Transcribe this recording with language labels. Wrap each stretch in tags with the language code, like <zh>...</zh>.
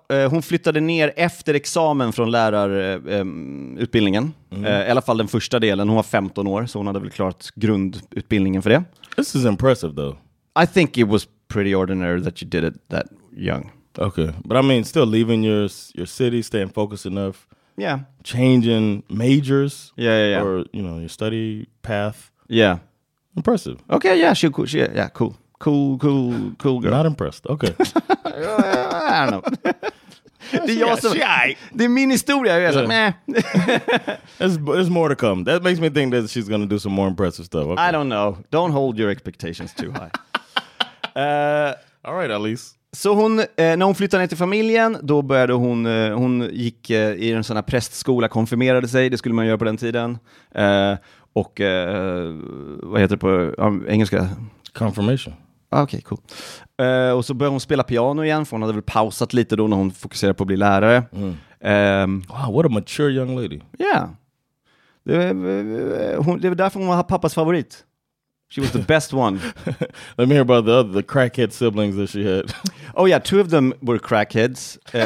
<sv>Hon flyttade ner efter examen från lärarutbildningen. I alla fall den första delen. Hon var 15 år, så hon hade väl klarat grundutbildningen för det.</sv> <en>This is impressive though. I think it was pretty ordinary that you did it that young. Okay, but I mean still leaving your city, staying focused enough. Yeah. Changing majors. Yeah. Or, you know, your study path. Yeah. Impressive. Okay, yeah, she cool. Cool girl. Not impressed. Okay. I don't know.</en> <sv>Det är jag som... Det är min historia. Jag är såhär, meh.</sv> <en>There's more to come. That makes me think that she's gonna do some more impressive stuff. Okay. I don't know. Don't hold your expectations too high. All right, Alice.</en> <sv>Så hon, när hon flyttade ner till familjen, då började hon... Hon gick i en sån här prästskola, konfirmerade sig. Det skulle man göra på den tiden. Och... vad heter det på engelska?</sv> <en>Confirmation.</en> <sv>Okej, cool. Och så började hon spela piano igen, för hon hade väl pausat lite då när hon fokuserade på att bli lärare. Mm.</sv> <en>Wow, what a mature young lady. Yeah.</en> <sv>Det var därför hon var pappas favorit.</sv> <en>She was the best one. Let me hear about the crackhead siblings that she had. Oh yeah, two of them were crackheads.</en>